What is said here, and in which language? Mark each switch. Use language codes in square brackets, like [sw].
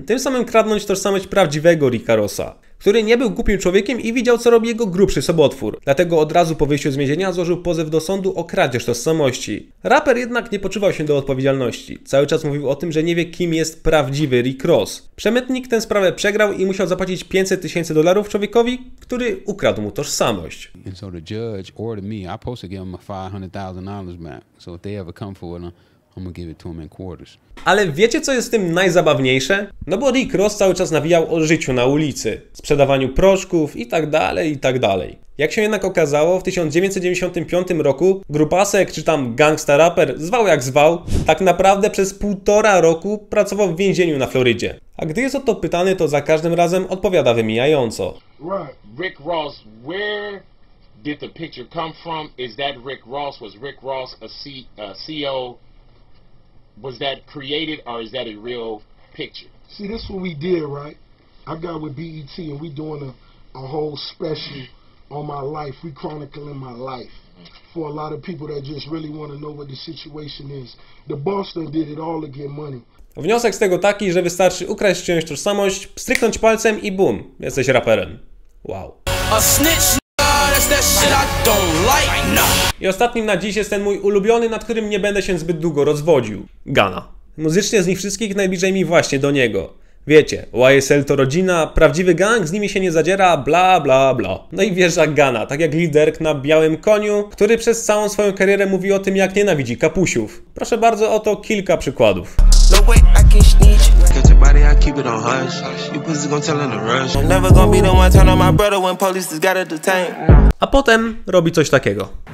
[pl] Tym samym kradnąć tożsamość prawdziwego Ricka Rossa, który nie był głupim człowiekiem i widział, co robi jego grubszy sobotwór. Dlatego od razu po wyjściu z więzienia złożył pozew do sądu o kradzież tożsamości. Raper jednak nie poczuwał się do odpowiedzialności. Cały czas mówił o tym, że nie wie, kim jest prawdziwy Rick Ross. Przemytnik tę sprawę przegrał i musiał zapłacić 500 tysięcy dolarów człowiekowi, który ukradł mu tożsamość. [en] I so the judge ordered me, I'm supposed to give him $500,000 back. So if they ever come for it, I'm gonna give it to him in quarters. [pl] Ale wiecie, co jest w tym najzabawniejsze? No bo Rick Ross cały czas nawijał o życiu na ulicy, sprzedawaniu proszków i tak dalej, i tak dalej. Jak się jednak okazało, w 1995 roku grupasek, czy tam gangsta raper, zwał jak zwał, tak naprawdę przez półtora roku pracował w więzieniu na Florydzie. A gdy jest o to pytany, to za każdym razem odpowiada wymijająco. [en] Rick Ross, where did the picture come from? Is that Rick Ross? Was Rick Ross a CEO? Was that created or is that a real picture? See, this is what we did, right? I got with BET and we doing a whole special on my life. We chronicling my life for a lot of people that just really want to know what the situation is. The boss done did it all to get money. [pl] Wniosek z tego taki, że wystarczy ukraść czyjąś tożsamość, pstryknąć palcem i bum, jesteś raperem. [en] Wow. A snitch, that's that shit I don't like, no. [pl] I ostatnim na dziś jest ten mój ulubiony, nad którym nie będę się zbyt długo rozwodził. Gana. Muzycznie z nich wszystkich najbliżej mi właśnie do niego. Wiecie, YSL to rodzina, prawdziwy gang, z nimi się nie zadziera, bla bla bla. No i wjeżdża Gana, tak jak liderk na białym koniu, który przez całą swoją karierę mówi o tym, jak nienawidzi kapusiów. Proszę bardzo, oto kilka przykładów. [en] No way, I can snitch. Catch your body, I keep it on hush. You pussy gon' tell in a rush. I'm never gon' be the one turn on my brother when police has got a detain. [pl] A potem robi coś takiego.